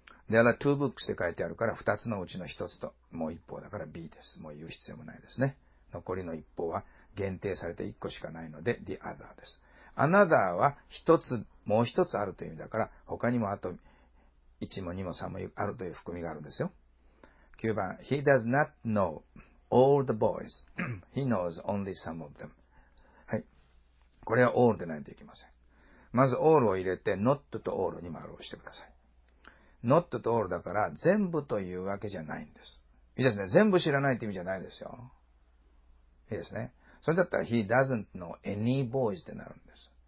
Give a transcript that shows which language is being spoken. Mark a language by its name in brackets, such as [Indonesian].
[English] There are two books [Japanese] って書いてあるから2つのうちの1つともう一方だから B です。もう言う必要もないですね。残りの一方は限定されて1個しかないので the other です。 Another は1つ、もう1つあるという意味だから他にもあと1も2も3もあるという含みがあるんですよ。 9番、 [English] He does not know all the boys. He knows only some of them. [Japanese] はい。これは all でないといけません。まず all を入れて not と all に丸をしてください。 not と all だから全部というわけじゃないんです。いいですね。全部知らないって意味じゃないですよ。いいですね。それだったら [English] He doesn't know any boys [Japanese] ってなるんです。